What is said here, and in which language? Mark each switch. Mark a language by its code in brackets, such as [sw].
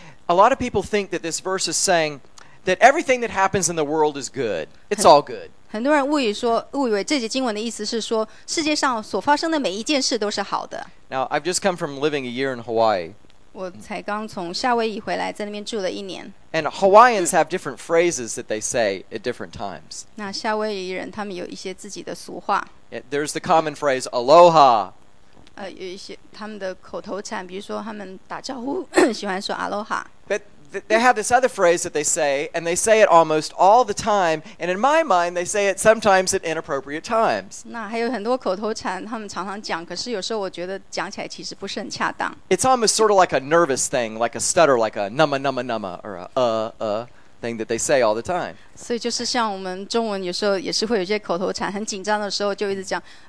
[en] A lot of people think that this verse is saying that everything that happens in the world is good. It's all good. [zh] 很多人误以为这节经文的意思是说世界上所发生的每一件事都是好的。 [en] Now, I've just come from living a year in Hawaii. [zh] 我才刚从夏威夷回来，在那边住了一年。 [en] And Hawaiians have different phrases that they say at different times. [zh] 那夏威夷人他们有一些自己的俗话。 [en] Yeah, there's the common phrase, aloha. [zh] 有一些他们的口头禅，比如说他们打招呼喜欢说 aloha。 [en] But they have this other phrase that they say, and they say it almost all the time. And in my mind, they say it sometimes at inappropriate times. [zh] 那还有很多口头禅，他们常常讲，可是有时候我觉得讲起来其实不是很恰当。 [en] It's almost sort of like a nervous thing, like a stutter, like a numma numma numma or a thing that they say all the time. [zh] 所以就是像我们中文有时候也是会有一些口头禅，很紧张的时候就一直讲。